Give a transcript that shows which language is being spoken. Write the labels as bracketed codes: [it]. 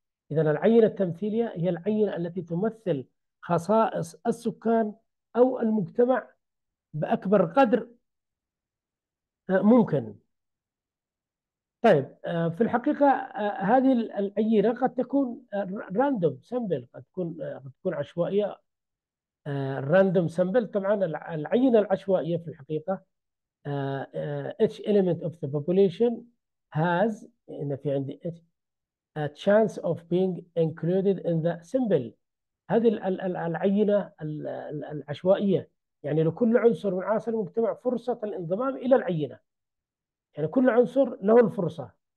[ar] إذا العينة التمثيلية هي العينة التي تمثل خصائص السكان أو المجتمع بأكبر قدر ممكن. طيب، في الحقيقة هذه العينة قد تكون راندوم سامبل، قد تكون عشوائية. راندوم سامبل، طبعا العينة العشوائية في الحقيقة [en] each element of the population has، [ar] إن في عندي [en] a chance of being included in the symbol. [ar] هذه العينة العشوائية يعني لكل عنصر من عناصر المجتمع فرصة الانضمام إلى العينة، يعني كل عنصر له الفرصة.